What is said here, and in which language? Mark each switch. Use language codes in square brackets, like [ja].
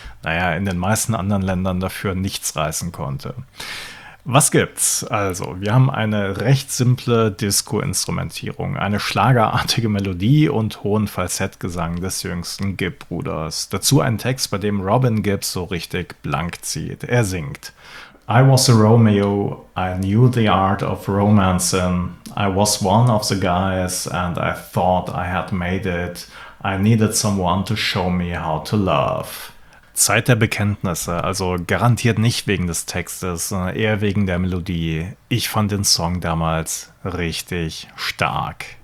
[de] Naja, in den meisten anderen Ländern dafür nichts reißen konnte. Was gibt's? Also, wir haben eine recht simple Disco-Instrumentierung, eine schlagerartige Melodie und hohen Falsettgesang des jüngsten Gibb-Bruders. Dazu ein Text, bei dem Robin Gibb so richtig blank zieht. Er singt: [en] I was a Romeo, I knew the art of romancing, I was one of the guys and I thought I had made it, I needed someone to show me how to love. [de] Zeit der Bekenntnisse, also garantiert nicht wegen des Textes, sondern eher wegen der Melodie. Ich fand den Song damals richtig stark.